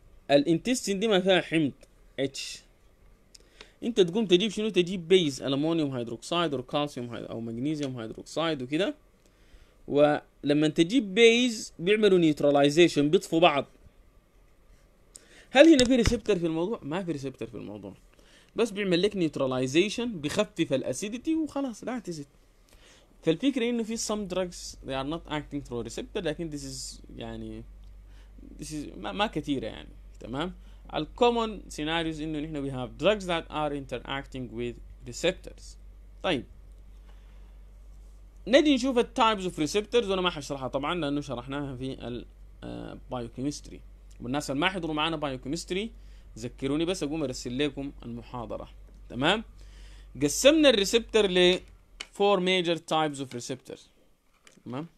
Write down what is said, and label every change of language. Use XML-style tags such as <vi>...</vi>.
<ar>الانتستين دي ما فيها حمض H، انت تقوم تجيب شنو؟ تجيب بيز ألمونيوم هيدروكسايد أو كالسيوم أو مغنيزيوم هيدروكسايد وكده، ولما تجيب بيز بيعملوا نيوتراليزيشن، بيطفوا بعض. هل هنا في ريسبتر في الموضوع؟ ما في ريسبتر في الموضوع، بس بيعمل لك نيوتراليزيشن، بيخفف الاسيديتي وخلاص لا تزيد. فالفكره انه في</ar> <en>some drugs they are not acting through receptor،</en> <ar>لكن</ar> <en>this is</en> <ar>يعني this is ما كثيره يعني، تمام. الكومون سيناريوز انه نحن</ar> <en>we have drugs that are interacting with receptors.</en> <ar>طيب نجي نشوف التايبس اوف ريسبتورز، وانا ما هشرحها طبعا لانه شرحناها في البايوكيمستري، والناس اللي ما حضروا معانا بايوكيمستري ذكروني بس اقوم ارسل لكم المحاضره، تمام. قسمنا الريسبتر ل 4 ميجر تايبس اوف ريسبتر، تمام.</ar>